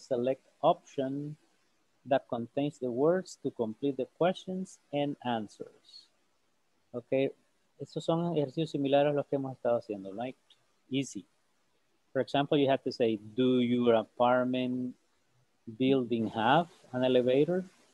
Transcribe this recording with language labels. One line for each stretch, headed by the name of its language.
English: Select option that contains the words to complete the questions and answers. Okay.
Spanish: Estos son ejercicios similares a los que hemos estado haciendo.
English: Like easy. For example, you have to say, do your apartment building have an elevator?